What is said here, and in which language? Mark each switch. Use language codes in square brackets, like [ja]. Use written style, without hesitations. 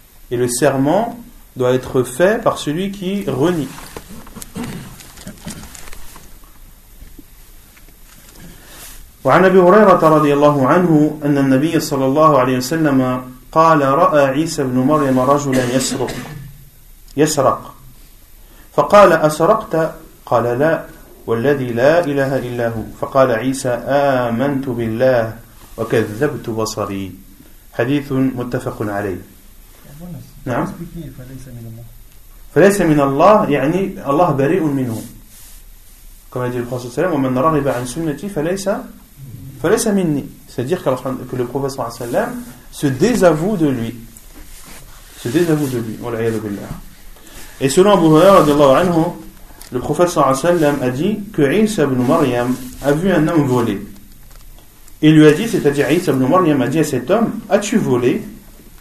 [fr] Et le serment doit être fait par celui qui renie. [ar] وعن أبي هريرة رضي الله عنه أن النبي صلى الله عليه وسلم قال رأى عيسى بن مريم رجلا يسرق فقال أسرقت؟ قال لا والذي لا إله إلا هو. فقال عيسى آمنت بالله وكذبت بصري. حديث متفق عليه. نعم. فليس من الله يعني الله بريء منه كما يقول الرسول صلى الله عليه وسلم ومن رغب عن سنتي فليس فليس مني. [fr] C'est-à-dire que le prophète sallallahu alayhi wa sallam se désavoue de lui. [ar] Wa al-'iyadu billah. [fr] Et selon Abu Hurayra radiallahu anhu, le prophète sallallahu alayhi wa sallam a dit que Isa ibn Maryam a vu un homme voler. Il lui a dit, c'est-à-dire Isa ibn Maryam a dit à cet homme, as-tu volé ?